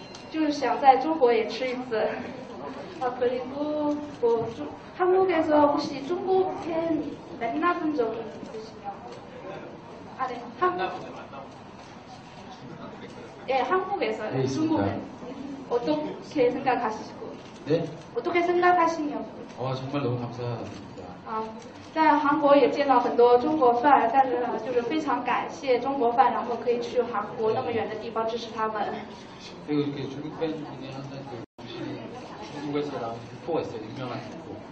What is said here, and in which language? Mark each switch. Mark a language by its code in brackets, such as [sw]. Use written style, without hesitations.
[zh] 就是想在中国也吃一次. [ko] 아, 그리고 뭐 한국에서 혹시 중국 팬 만나본 적 있으시면? 아, 네. 예, 한국에서 네, 중국은 어떻게 생각하시고? 네? 어떻게 생각하시냐고? 와, 아, 정말 너무 감사합니다. [zh] 아, 在韩国也见到很多中国饭，但是就是非常感谢中国饭，然后可以去韩国那么远的地方支持他们. [ko] 그리고 이렇게 중국 팬 중에 항상 그 중국에서 나온 후보가 있어요, 유명한 후보.